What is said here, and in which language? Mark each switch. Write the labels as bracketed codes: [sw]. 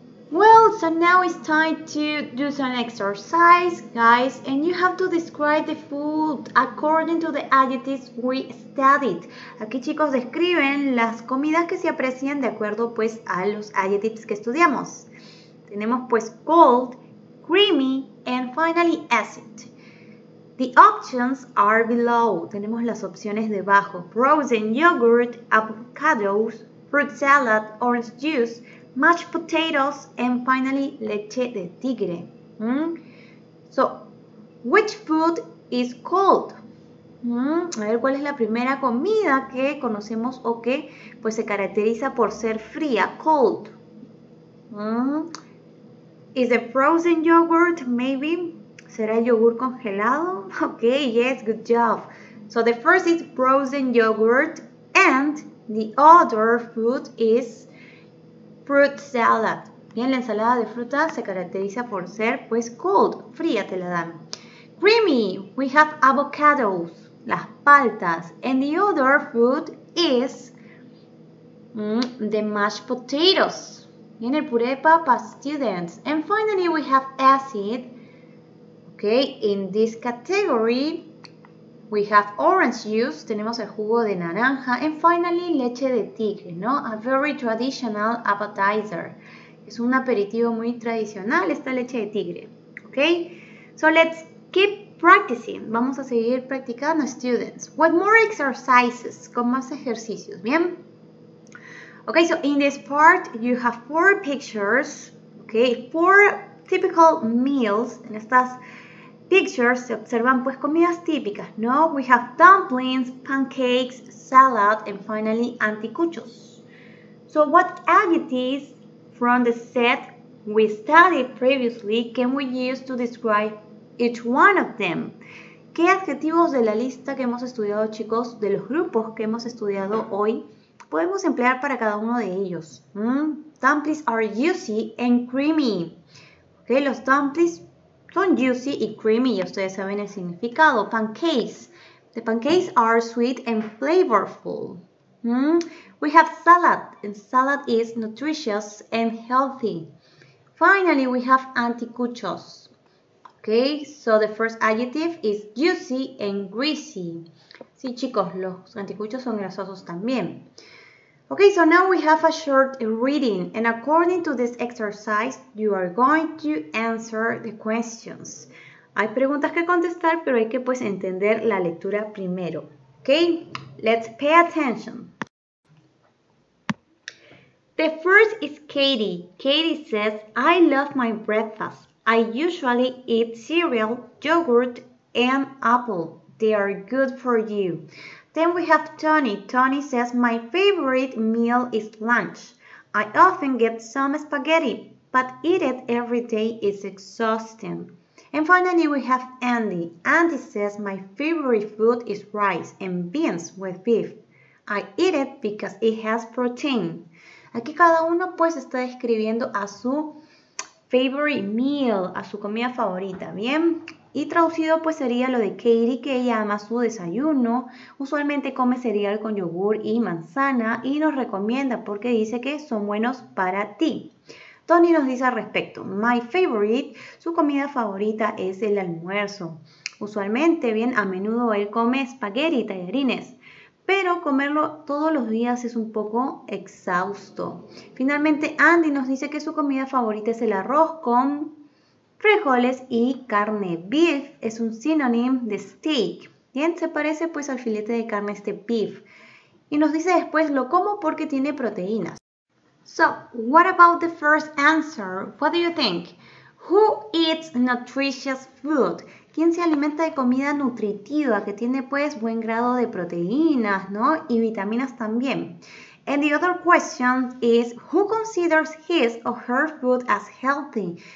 [en] Well, so now it's time to do some exercise, guys, and you have to describe the food according to the adjectives we studied. [es] Aquí, chicos, describen las comidas que se aprecian de acuerdo pues a los adjectives que estudiamos. Tenemos pues [en] cold, creamy, and finally acid. The options are below. [es] Tenemos las opciones debajo. [en] Frozen yogurt, avocados, fruit salad, orange juice, mashed potatoes, and finally leche de tigre. So, which food is cold? [es] A ver, ¿cuál es la primera comida que conocemos o que pues se caracteriza por ser fría? [en] Cold. Is a frozen yogurt, maybe? [es] ¿Será yogur congelado? [en] Okay, yes, good job. So the first is frozen yogurt and the other food is fruit salad. [es] Bien, la ensalada de fruta se caracteriza por ser, pues, cold. Fría te la dan. [en] Creamy, we have avocados, [es] las paltas. [en] And the other food is the mashed potatoes. [es] Bien, el puré de papas, [en] students. And finally, we have acid. Okay, in this category, we have orange juice. [es] Tenemos el jugo de naranja. [en] And finally, [es] leche de tigre, ¿no? [en] A very traditional appetizer. [es] Es un aperitivo muy tradicional esta leche de tigre. [en] Ok, so let's keep practicing. [es] Vamos a seguir practicando, [en] students. With more exercises, [es] con más ejercicios, ¿bien? [en] Ok, so in this part, you have four pictures. Ok, four typical meals. [es] En estas pictures se observan pues comidas típicas, ¿no? [en] We have dumplings, pancakes, salad, and finally anticuchos. So what adjectives from the set we studied previously can we use to describe each one of them? [es] ¿Qué adjetivos de la lista que hemos estudiado, chicos, de los grupos que hemos estudiado hoy, podemos emplear para cada uno de ellos? [en] Dumplings are juicy and creamy. [es] Okay, los dumplings son juicy y creamy, ya ustedes saben el significado. [en] Pancakes. The pancakes are sweet and flavorful. We have salad, and salad is nutritious and healthy. Finally, we have anticuchos. Okay, so the first adjective is juicy and greasy. [es] Sí, chicos, los anticuchos son grasosos también. [en] Okay, so now we have a short reading, and according to this exercise, you are going to answer the questions. [es] Hay preguntas que contestar, pero hay que pues entender la lectura primero. [en] Okay, let's pay attention. The first is Katie. Katie says, I love my breakfast. I usually eat cereal, yogurt, and apple. They are good for you. Then we have Tony. Tony says, my favorite meal is lunch. I often get some spaghetti, but eat it every day is exhausting. And finally, we have Andy. Andy says, my favorite food is rice and beans with beef. I eat it because it has protein. [es] Aquí cada uno pues está describiendo a su [en] favorite meal, [es] a su comida favorita, ¿bien? Y traducido pues sería lo de Katie, que ella ama su desayuno, usualmente come cereal con yogur y manzana y nos recomienda porque dice que son buenos para ti. Tony nos dice al respecto, [en] my favorite, [es] su comida favorita es el almuerzo. Usualmente, bien, a menudo él come espagueti y tallarines. Pero comerlo todos los días es un poco exhausto. Finalmente, Andy nos dice que su comida favorita es el arroz con frijoles y carne. Beef es un sinónimo de steak. Bien, se parece pues al filete de carne este beef. Y nos dice después, lo como porque tiene proteínas. [en] So, what about the first answer? What do you think? Who eats nutritious food? [es] ¿Quién se alimenta de comida nutritiva que tiene pues buen grado de proteínas, ¿no? Y vitaminas también? [en] And the other question is, who considers his or her food as healthy?